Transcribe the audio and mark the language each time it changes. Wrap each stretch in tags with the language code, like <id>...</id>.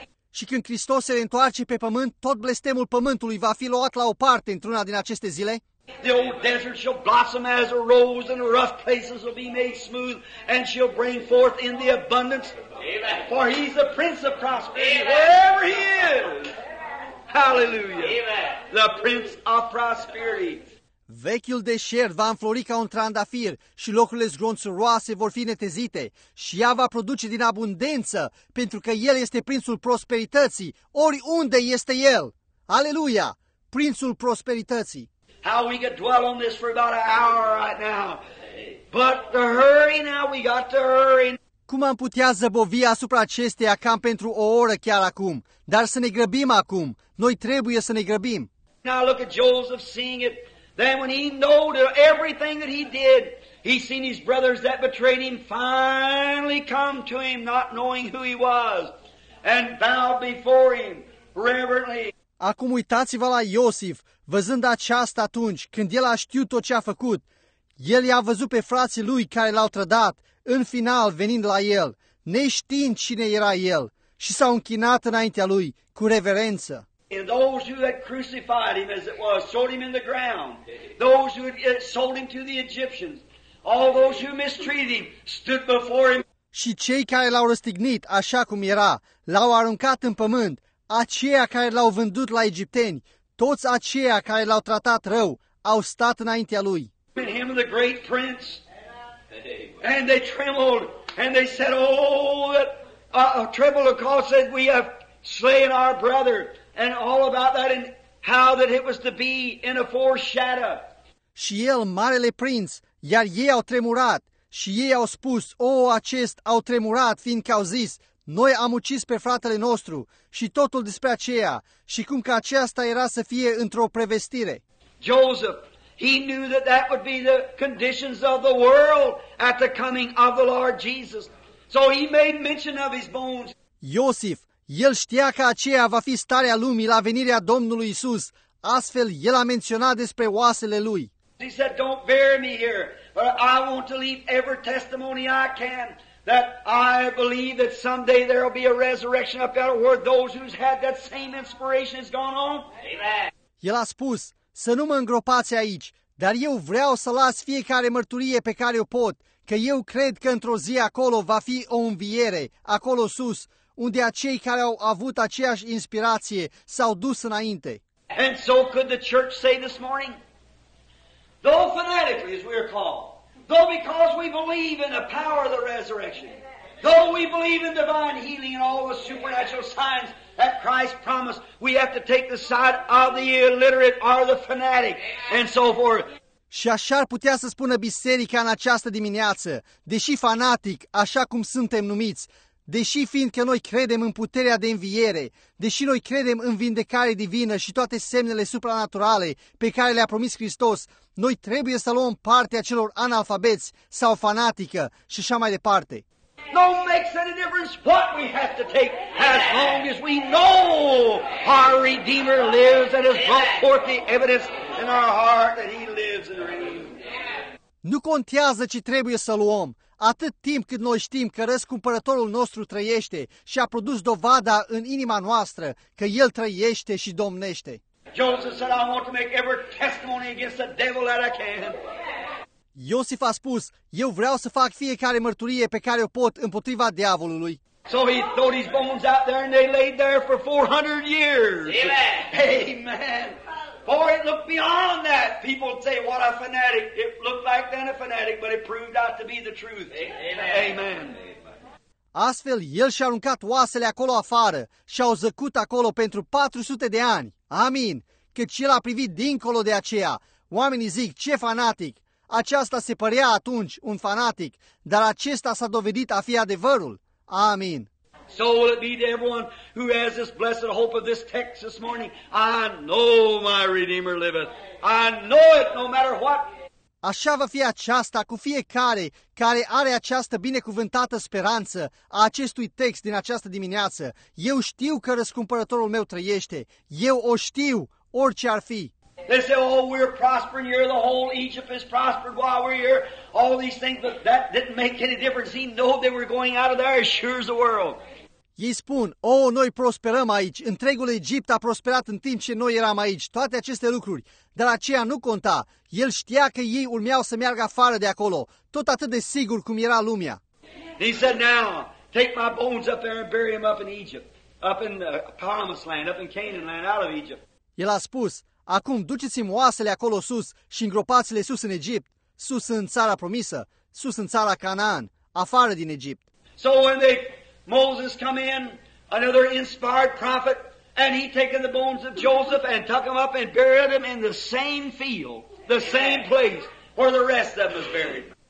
<ro>Și când Hristos se întoarce pe pământ, tot blestemul pământului va fi luat la o parte într-una din aceste zile.</ro> <en>The old desert shall blossom as a rose, and the rough places will be made smooth, and shall bring forth in the abundance. Amen. For he's the prince of prosperity, wherever he is. Hallelujah. Amen. The prince of prosperity.</en> <ro>Vechiul deșert va înflori ca un trandafir și locurile zgronțuroase vor fi netezite și ea va produce din abundență, pentru că el este prințul prosperității, oriunde este el. Aleluia! Prințul prosperității.</ro> <en>How we could dwell on this for about an hour right now. But the hurry now, we got to hurry.</en> <ro>Cum am putea zăbovi asupra acesteia cam pentru o oră chiar acum? Dar să ne grăbim acum. Noi trebuie să ne grăbim.</ro> <en>Now look at Joseph seeing it. Then when he knew everything that he did, he seen his brothers that betrayed him finally come to him, not knowing who he was, and bowed before him reverently.</en> <ro>Acum uitați-vă la Iosif, văzând aceasta atunci, când el a știut tot ce a făcut. El i-a văzut pe frații lui care l-au trădat, în final venind la el, neștiind cine era el, și s-au închinat înaintea lui cu reverență.</ro> <en>And those who had crucified him, as it was, sold him in the ground. Those who had sold him to the Egyptians. All those who mistreated him stood before him.</en> <ro>Și cei care l-au răstignit așa cum era, l-au aruncat în pământ. Aceia care l-au vândut la egipteni, toți aceia care l-au tratat rău, au stat înaintea lui.</ro> <en>And him, the great prince. And they trembled. And they said, oh, trembled because said, we have slain our brother. And all about that and how that it was to be in a foreshadow.</en> <ro>Și el, marele prinț, iar ei au tremurat și ei au spus, acest au tremurat, fiindcă au zis, noi am ucis pe fratele nostru și totul despre aceea și cum că aceasta era să fie într-o prevestire.</ro> <en>Joseph, he knew that that would be the conditions of the world at the coming of the Lord Jesus. So he made mention of his bones.</en> <ro>Iosif, el știa că aceea va fi starea lumii la venirea Domnului Isus. Astfel, el a menționat despre oasele lui.</ro> <en>He said, don't bury me here, but I want to leave every testimony I can that I believe that someday there will be a resurrection up there where those who's had that same inspiration has gone on.</en> <ro>El a spus, să nu mă îngropați aici, dar eu vreau să las fiecare mărturie pe care o pot, că eu cred că într-o zi acolo va fi o înviere, acolo sus, unde acei care au avut aceeași inspirație s-au dus înainte.</ro> <en>And so could the church say this morning, though fanatically as we are called, though because we believe in the power of the resurrection, though we believe in divine healing and all the supernatural signs that Christ promised, we have to take the side of the illiterate or the fanatic and so forth.</en> <ro>Și așa ar putea să spună biserica în această dimineață, deși fanatic, așa cum suntem numiți, deși fiindcă noi credem în puterea de înviere, deși noi credem în vindecare divină și toate semnele supranaturale pe care le-a promis Hristos, noi trebuie să luăm partea celor analfabeți sau fanatică și așa mai departe.</ro> <en>No makes any difference what we have to take as long as we know our Redeemer lives and has brought forth the evidence in our heart that He lives and reigns.</en> <ro>Nu contează ce trebuie să luăm, atât timp cât noi știm că răscumpărătorul nostru trăiește și a produs dovada în inima noastră că El trăiește și domnește.</ro> <en>Joseph said, I want to make every testimony against the devil that I can.</en> <ro>Iosif a spus, eu vreau să fac fiecare mărturie pe care o pot împotriva diavolului.</ro> <en>So he threw his bones out there and they laid there for 400 years. Amen. For it looked beyond that. People would say, what a fanatic. It looked like then a fanatic, but it proved out to be the truth. Amen.</en> <ro>Astfel, el și-a aruncat oasele acolo afară și au zăcut acolo pentru 400 de ani. Amin. Căci el a privit dincolo de aceea. Oamenii zic, ce fanatic. Aceasta se părea atunci un fanatic, dar acesta s-a dovedit a fi adevărul. Amin.</ro> <en>So will it be to everyone who has this blessed hope of this text this morning. I know my Redeemer liveth. I know it no matter what.</en> <ro>Așa va fi aceasta cu fiecare care are această binecuvântată speranță a acestui text din această dimineață. Eu știu că răscumpărătorul meu trăiește. Eu o știu, orice ar fi.</ro> <en>They say, oh, we're prospering here. The whole Egypt is prospered while we're here. All these things, but that didn't make any difference. He knew they were going out of there as sure as the world.</en> <ro>Ei spun, oh, noi prosperăm aici. Întregul Egipt a prosperat în timp ce noi eram aici. Toate aceste lucruri. Dar aceea nu conta. El știa că ei urmeau să meargă afară de acolo. Tot atât de sigur cum era lumea.</ro> <en>He said, now, take my bones up there and bury them up in Egypt. Up in the promised land, up in Canaan land, out of Egypt.</en> <ro>El a spus, acum duceți-mi oasele acolo sus și îngropați-le sus în Egipt, sus în țara promisă, sus în țara Canaan, afară din Egipt.</ro> <en>So when they, Moses come in, another inspired prophet, and he taken the bones of Joseph and took them up and buried them in the same field, the same place where the rest of them was buried.</en>